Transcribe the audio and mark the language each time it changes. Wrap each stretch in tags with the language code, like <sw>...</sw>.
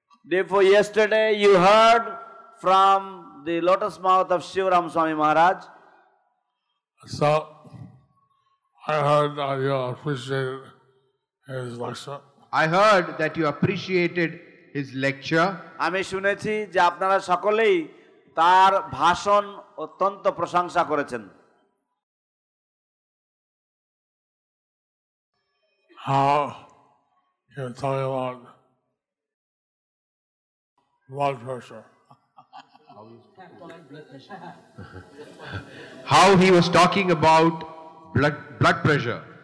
<en>Therefore, yesterday you heard from the lotus mouth of Shivaram Swami Maharaj. So, I heard that you appreciated his lecture. I heard that you appreciated his lecture.</en> <bn>আমি শুনেছি যে আপনারা সকলেই তার ভাষণ অত্যন্ত প্রশংসা করেছেন।</bn> <en>How you talk about blood pressure. How he was talking about blood pressure.</en>